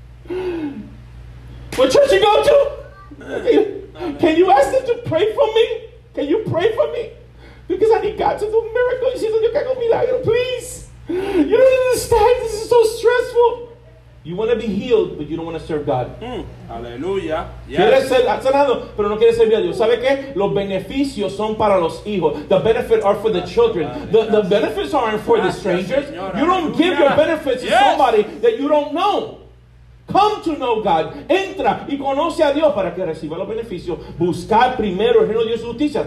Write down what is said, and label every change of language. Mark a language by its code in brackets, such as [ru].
[en] What church you go to? Can you ask them to pray for me? Can you pray for me? Because I need God to do miracles. Please. You don't understand. This is so stressful. You want to be healed, but you don't want to serve God. Hallelujah. [es] Quieres ser sanado, pero no quieres servir a Dios. ¿Sabe qué? Los beneficios son para los hijos. [en] The benefits are for the children. The benefits aren't for the strangers. You don't give your benefits to somebody that you don't know. Come to know God. [es] Entra y conoce a Dios para que reciba los beneficios. Buscar primero el reino de Dios y justicia.